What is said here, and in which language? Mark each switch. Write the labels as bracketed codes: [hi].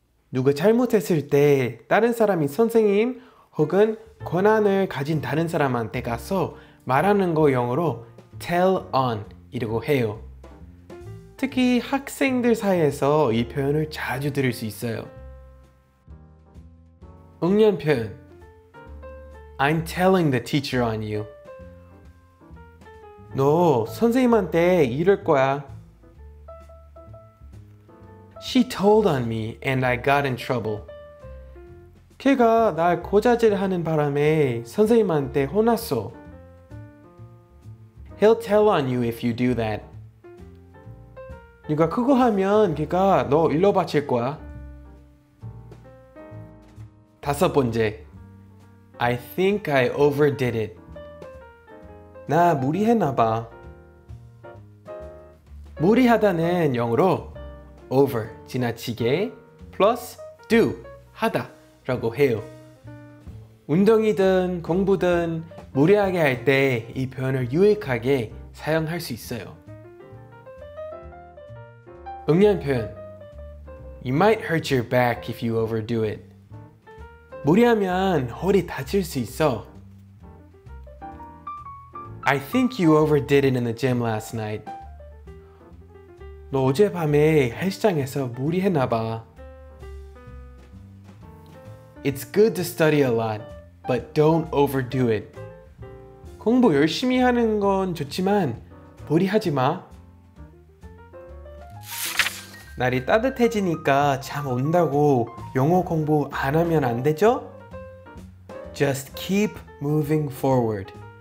[ko] 누가 잘못했을 때 다른 사람이 선생님 혹은 권한을 가진 다른 사람한테 가서 말하는 거 영어로 [en] tell on [ko] 이라고 해요. 특히 학생들 사이에서 이 표현을 자주 들을 수 있어요. 응용 표현 [en] I'm telling the teacher on you. [ko] 너 선생님한테 이럴 거야. [en] She told on me and I got in trouble. [ko] 걔가 날 고자질하는 바람에 선생님한테 혼났어. [en] He'll tell on you if you do that. [ko] 네가 그거 하면 걔가 너 일러바칠 거야. 다섯 번째. [en] I think I overdid it. [ko] 나 무리했나 봐. 무리하다는 영어로 over, 지나치게, plus do, 하다 라고 해요. 운동이든 공부든 무리하게 할 때 이 표현을 유익하게 사용할 수 있어요. 응용 표현 [en] You might hurt your back if you overdo it. [ko] 무리하면 허리 다칠 수 있어. [en] I think you overdid it in the gym last night. [ko] 너 어젯밤에 헬스장에서 무리했나 봐. [en] It's good to study a lot, but don't overdo it. [ko] 공부 열심히 하는 건 좋지만 무리하지 마. 날이 따뜻해지니까 잠 온다고 영어 공부 안 하면 안 되죠? [en] Just keep moving forward.